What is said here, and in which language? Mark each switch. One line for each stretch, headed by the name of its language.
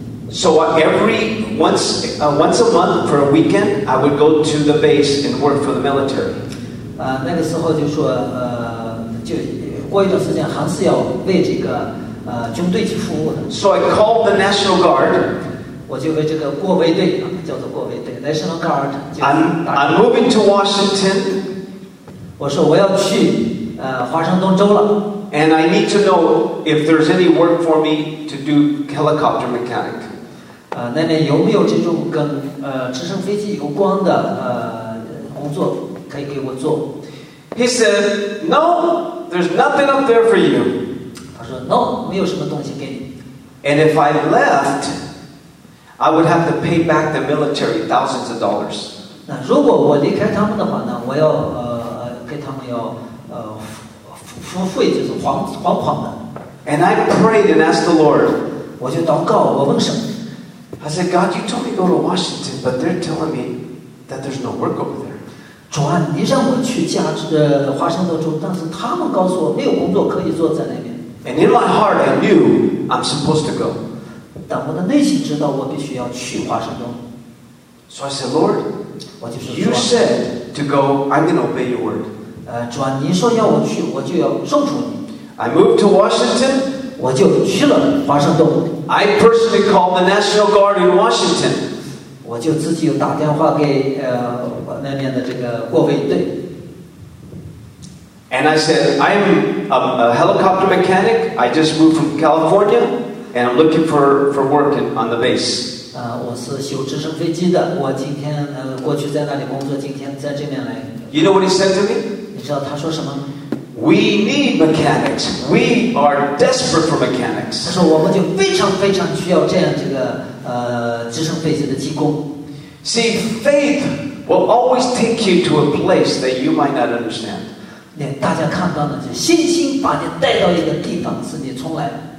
English: So every once a month for a weekend, I would go to the base and work for the military.
Chinese: 那个时候就说就过一段时间还是要为这个军队去服务的。
English: So I called the National Guard.
Chinese: 我就为这个过卫队叫做过卫队。
English: National Guard, I'm moving to Washington.
Chinese: 我说我要去华盛顿州了。
English: And I need to know if there's any work for me to do helicopter mechanic.
Chinese: 那边有没有这种跟直升飞机有关的工作可以给我做
English: ？He said, No, there's nothing up there for you.
Chinese: 他说 No, 没有什么东西给你。
English: And if I left. I would have to pay back the military thousands of dollars.
Chinese: 那如果我离开他们的话呢，我要给他们要付费，就是还的。
English: And I prayed and asked the Lord.
Chinese: 我就祷告，我问神。
English: I said, God, you told me to go to Washington, but they're telling me that there's no work over there.
Chinese: 主啊，你让我去华盛顿州，但是他们告诉我没有工作可以做在那边。
English: And in my heart, I knew I'm supposed to go.
Chinese: 但我的内心知道我必须要去华盛顿。
English: So I said, Lord,
Chinese: 我就说
English: You said to go, I'm going to obey your word.
Chinese: 主啊，你说要我去，我就要顺从你。
English: I moved to Washington.
Chinese: 我就去了华盛顿。
English: I personally called the National Guard in Washington. 我就自己又打电话给那边的这个过卫队。 And I said, I'm a helicopter mechanic. I just moved from California. And I'm looking for work on the base.
Chinese: 我是修直升飞机的。我今天过去在那里工作，今天在这边来。
English: You know what he said to me?
Chinese: 你知道他说什么
English: ？We need mechanics. We are desperate for mechanics.
Chinese: 他说我们就非常非常需要这样这个直升飞机的技工。
English: See, faith will always take you to a place that you might not understand.
Chinese: 那大家看到的，就信心把你带到一个地方，是你从来。